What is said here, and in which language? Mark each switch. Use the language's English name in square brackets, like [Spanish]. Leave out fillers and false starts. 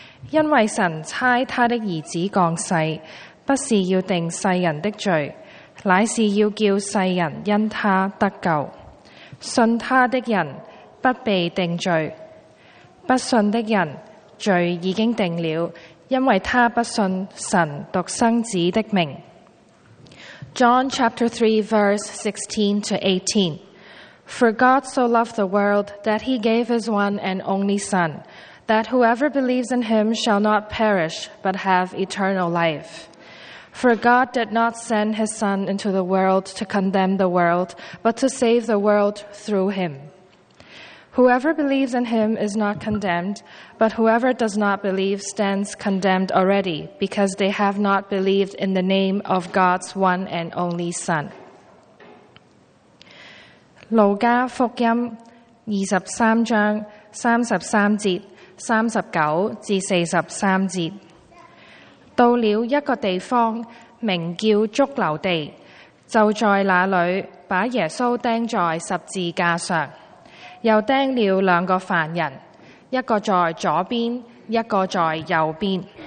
[Chinese] 因为神差他的儿子降世，不是要定世人的罪，乃是要叫世人因他得救。信他的人不被定罪，不信的人罪已经定了，因为他不信神独生子的名。 [English] John chapter 3 verse 16 to 18. For God so loved the world that he gave his one and only Son, that whoever believes in him shall not perish, but have eternal life. For God did not send his Son into the world to condemn the world, but to save the world through him. Whoever believes in him is not condemned, but whoever does not believe stands condemned already, because they have not believed in the name of God's one and only Son. [Chinese] 路加福音二十三章三十三节三十九至四十三节。到了一个地方名叫竹楼地，就在那里把耶稣钉在十字架上，又钉了两个犯人，一个在左边，一个在右边。